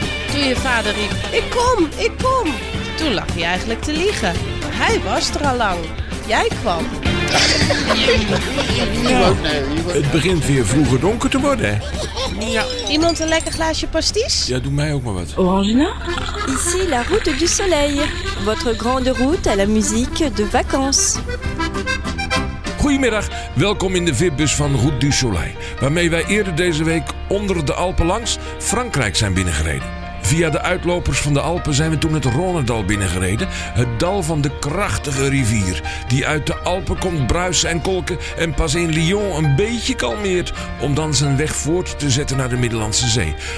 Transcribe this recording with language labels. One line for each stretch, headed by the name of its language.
Dutch: Toen je vader riep, ik kom, ik kom. Toen lag hij eigenlijk te liegen. Hij was er al lang. Jij kwam. Ja. Het begint weer vroeger donker te worden. Ja. Iemand een lekker glaasje pasties? Ja, doe mij ook maar wat. Orangina?
French: Ici la route du soleil. Votre grande route à la musique de vacances.
Dutch: Goedemiddag, welkom in de VIP-bus van Route du Soleil. Waarmee wij eerder deze week onder de Alpen langs Frankrijk zijn binnengereden. Via de uitlopers van de Alpen zijn we toen het Rhônedal binnengereden. Het dal van de krachtige rivier die uit de Alpen komt bruisen en kolken en pas in Lyon een beetje kalmeert om dan zijn weg voort te zetten naar de Middellandse Zee.